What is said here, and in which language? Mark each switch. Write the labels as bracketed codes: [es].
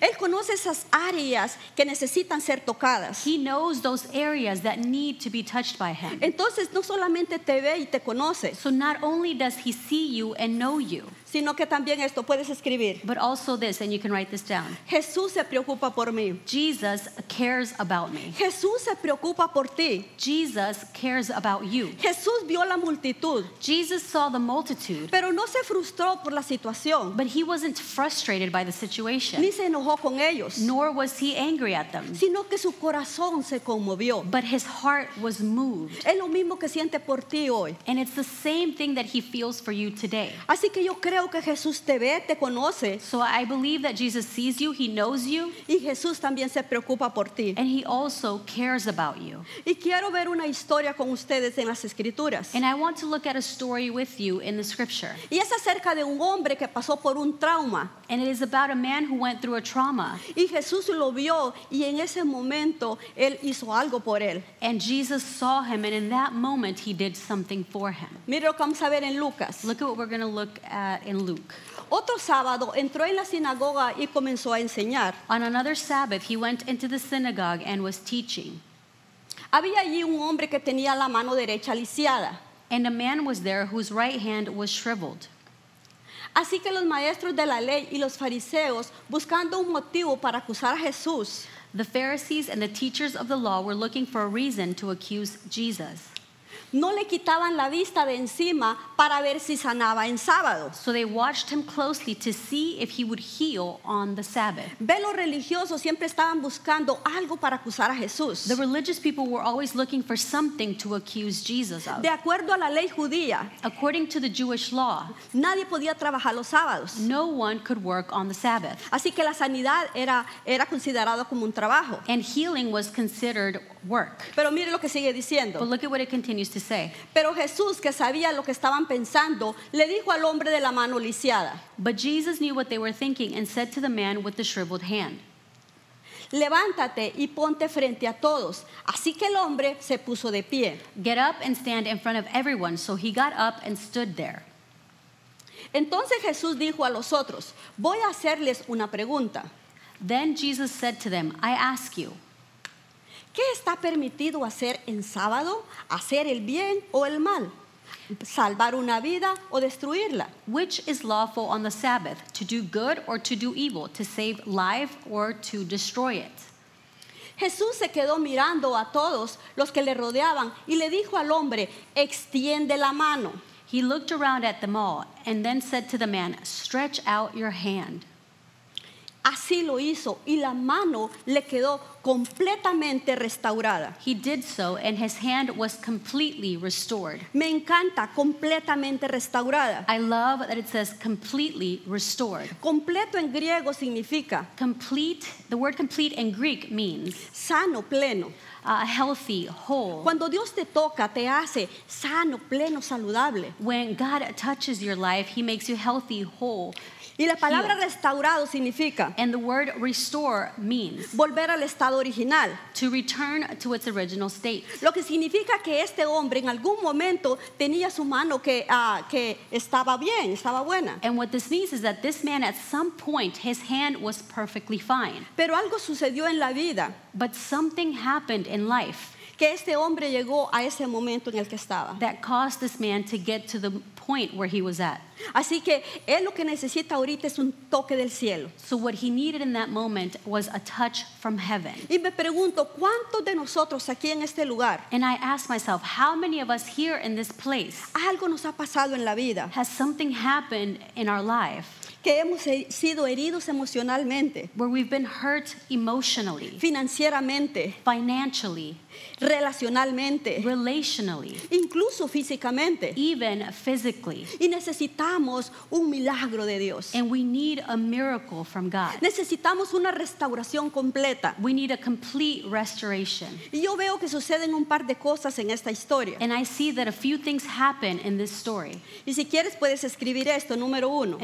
[es] Él conoce esas áreas que necesitan ser tocadas. [en] He knows those areas that need to be touched by him. [es] Entonces no solamente te ve y te conoce. [en] So not only does he see you and know you. [es] Sino que también esto puedes escribir. [en] But also this, and you can write this down. [es] Jesús se preocupa por mí. [en] Jesus cares about me. [es] Jesús se preocupa por ti. [en] Jesus cares about you. [es] Jesús vio la multitud. [en] Jesus saw the multitude. [es] Pero no se frustró por la situación. [en] But he wasn't frustrated by the situation. [es] Ni se enojó con ellos. [en] Nor was he angry at them. [es] Sino que su corazón se conmovió. [en] But his heart was moved. [es] Es lo mismo que siente por ti hoy. [en] And it's the same thing that he feels for you today. [es] Así que yo creo que Jesús te ve, te conoce. [en] So I believe that Jesus sees you, he knows you. [es] Y Jesús también se preocupa por ti. [en] And he also cares about you. [es] Y quiero ver una historia con ustedes en las escrituras. [en] And I want to look at a story with you in the scripture. [es] Y es acerca de un hombre que pasó por un trauma. [en] And it is about a man who went through a trauma. [es] Y Jesús lo vio y en ese momento él hizo algo por él. [en] And Jesus saw him and in that moment he did something for him. [es] Mira lo que vamos a ver en Lucas. [en] Look at what we're going to look at. In Luke. [es] Otro sábado entró en la sinagoga y comenzó a enseñar. [en] On another Sabbath, he went into the synagogue and was teaching. [es] Había allí un hombre que tenía la mano derecha lisiada. [en] And a man was there whose right hand was shriveled. [es] Así que los maestros de la ley y los fariseos, buscando un motivo para acusar a Jesús, [en] the Pharisees and the teachers of the law were looking for a reason to accuse Jesus. [es] No le quitaban la vista de encima para ver si sanaba en sábado. [en] So they watched him closely to see if he would heal on the Sabbath. [es] Ve, los religiosos siempre estaban buscando algo para acusar a Jesús. [en] The religious people were always looking for something to accuse Jesus of. [es] De acuerdo a la ley judía, [en] according to the Jewish law, [es] nadie podía trabajar los sábados. [en] No one could work on the Sabbath. [es] Así que la sanidad era considerado como un trabajo. [en] And healing was considered work. [es] Pero mire lo que sigue diciendo. [en] But look at what it continues to say. [es] Pero Jesús, que sabía lo que estaban pensando, le dijo al hombre de la mano lisiada. [en] But Jesus knew what they were thinking and said to the man with the shriveled hand. [es] Levántate y ponte frente a todos. Así que el hombre se puso de pie. [en] Get up and stand in front of everyone. So he got up and stood there. [es] Entonces Jesús dijo a los otros, voy a hacerles una pregunta. [en] Then Jesus said to them, I ask you, [es] ¿qué está permitido hacer en sábado? ¿Hacer el bien o el mal? ¿Salvar una vida o destruirla? [en] Which is lawful on the Sabbath, to do good or to do evil, to save life or to destroy it? [es] Jesús se quedó mirando a todos los que le rodeaban y le dijo al hombre, extiende la mano. [en] He looked around at them all and then said to the man, stretch out your hand. [es] Así lo hizo y la mano le quedó completamente restaurada. [en] He did so and his hand was completely restored. [es] Me encanta completamente restaurada. [en] I love that it says completely restored. [es] Completo en griego significa [en] complete. The word complete in Greek means [es] sano, pleno. [en] Healthy, whole. [es] Cuando Dios te toca, te hace sano, pleno, saludable. [en] When God touches your life, he makes you healthy, whole. [es] Y la palabra restaurado significa [en] and the word restore means [es] volver al estado original, [en] to return to its original state. [es] Lo que significa que este hombre en algún momento tenía su mano que estaba bien, estaba buena. [en] And what this means is that this man at some point his hand was perfectly fine. [es] Pero algo sucedió en la vida. [en] But something happened in life. [es] Que este hombre llegó a ese momento en el que estaba. [en] That caused this man to get to the point where he was at. [es] Así que él lo que necesita ahorita es un toque del cielo. [en] So what he needed in that moment was a touch from heaven. [es] Y me pregunto, ¿cuántos de nosotros aquí en este lugar? [en] And I ask myself, how many of us here in this place? [es] Algo nos ha pasado en la vida. [en] Has something happened in our life? [es] Que hemos sido heridos emocionalmente. [en] Where we've been hurt emotionally. [es] Financieramente. [en] Financially. [es] Relacionalmente. [en] Relationally. [es] Incluso físicamente. [en] Even physically. [es] Y necesitamos un milagro de Dios. [en] And we need a miracle from God. [es] Necesitamos una restauración completa. [en] We need a complete restoration. [es] Y yo veo que suceden un par de cosas en esta historia. [en] And I see that a few things happen in this story. [es] Y si quieres puedes escribir esto, número uno.